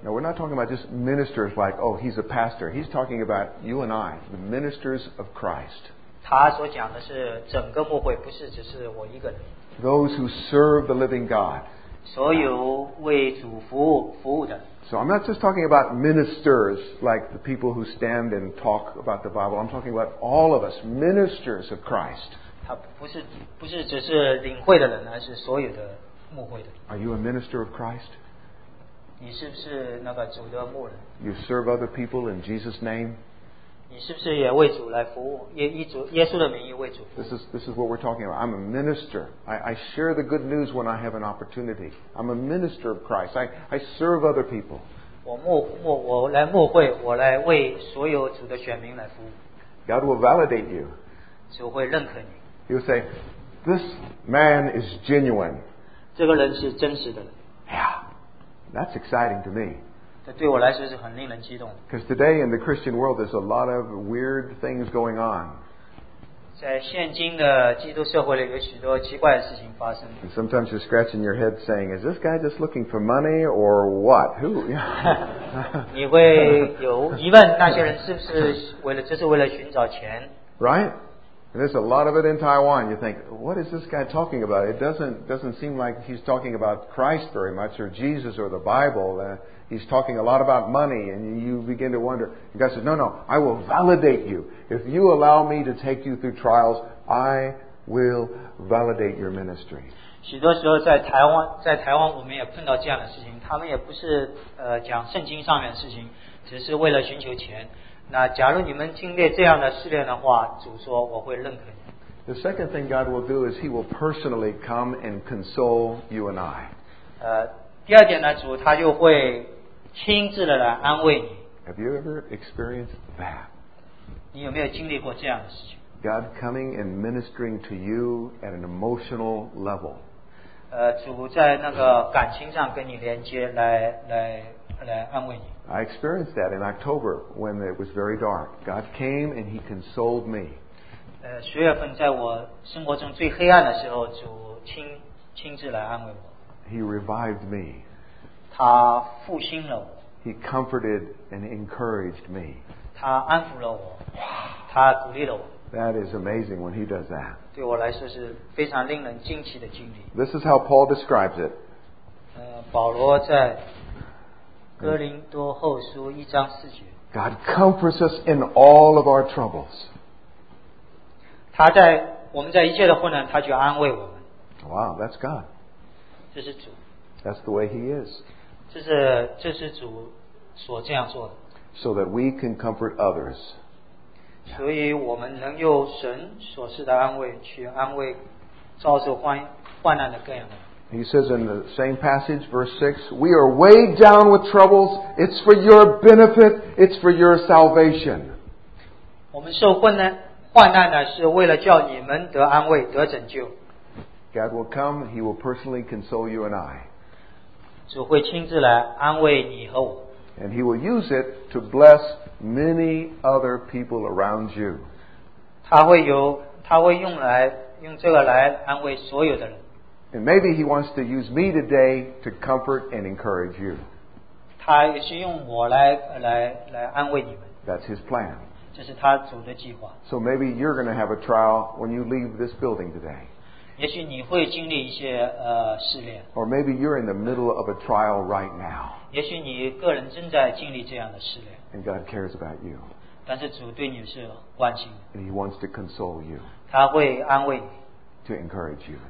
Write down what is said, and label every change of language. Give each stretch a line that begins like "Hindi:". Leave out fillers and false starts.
English: Now we're not talking about just ministers like, oh, he's a pastor. He's talking about you and I, the ministers of Christ.
Chinese: 他所讲的是整个牧会，不是只是我一个人。
English: Those who serve the living God.
Chinese: 所有为主服务的。
English: So I'm not just talking about ministers like the people who stand and talk about the Bible. I'm talking about all of us, ministers of Christ.
Chinese: 他不是只是领会的人，而是所有的牧会的。
English: Are you a minister of Christ?
Chinese: 你是不是那个主的牧人？
English: You serve other people in Jesus' name?
Chinese: 你是不是也为主来服务，耶稣的名义为主服务？
English: This is what we're talking about. I'm a minister. I share the good news when I have an opportunity. I'm a minister of Christ. I serve other people.
Chinese: 我来牧会，我来为所有主的选民来服务。
English: God will validate you.
Chinese: 主会认可你。
English: He'll say, this man is genuine.
Chinese: 这个人是真实的。
English: Yeah, that's exciting to me.
Chinese: 对我来说是很令人激动的。
English: Because today in the Christian world, there's a lot of weird things going on.
Chinese: 在现今的基督社会里，有许多奇怪的事情发生。
English: And sometimes you're scratching your head, saying, "Is this guy just looking for money, or what? Who?"
Chinese: 你会有疑问，那些人是不是为了寻找钱
English: ？Right? And there's a lot of it in Taiwan. You think, "What is this guy talking about? It doesn't seem like he's talking about Christ very much, or Jesus, or the Bible." He's talking a lot about money, and you begin to wonder. And God says, no, I will validate you. If you allow me to take you through trials, I will validate your ministry.
Chinese: 许多时候在台湾我们也碰到这样的事情，他们也不是讲圣经上面的事情，只是为了寻求钱。那假如你们经历这样的试炼的话，主说我会认可你。
English: The second thing God will do is he will personally come and console you and I.
Chinese: 第二点呢，主他就会亲自的来安慰你。
English: Have you ever experienced that?
Chinese: 你有没有经历过这样的事情？
English: God coming and ministering to you at an emotional level.
Chinese: 主在那个感情上跟你连接，来安慰你。
English: I experienced that in October when it was very dark. God came and He consoled me.
Chinese: 十月份在我生活中最黑暗的时候，主亲自来安慰我。
English: He revived me.
Chinese: 他复兴了我。
English: He comforted and encouraged me.
Chinese: 他安抚了我。他鼓励了我。
English: That is amazing when he does that.
Chinese: 对我来说是非常令人惊奇的经历。
English: This is how Paul describes it.
Chinese: 保罗在哥林多后书一章四节。
English: God comforts us in all of our troubles.
Chinese: 他在我们在一切的困难，他就安慰我们。
English: Wow, that's God.
Chinese: 这是主。
English: That's the way He is.
Chinese: 这是主所这样做的。
English: So that we can comfort others.
Chinese: 所以我们能用神所赐的安慰去安慰遭受患难的各样的人。
English: He says in the same passage, verse 6, we are weighed down with troubles. It's for your benefit. It's for your salvation.
Chinese: 我们受困难患难呢，是为了叫你们得安慰得拯救。
English: God will come, He will personally console you and I.
Chinese: 主会亲自来安慰你和我。
English: And He will use it to bless many other people around you.
Chinese: 他会用这个来安慰所有的人。
English: And maybe He wants to use me today to comfort and encourage you.
Chinese: 他也是用我 来安慰你们。
English: That's His plan.
Chinese: 这是他主的计划。
English: So maybe you're going to have a trial when you leave this building today.
Chinese: 也许你会经历一些试炼。
English: Or maybe you're in the middle of a trial right now.
Chinese: 也许你个人正在经历这样的试炼。
English: And God cares about you.
Chinese: 但是主对你是关心的。
English: And He wants to console you.
Chinese: 他会安慰你。
English: To encourage you.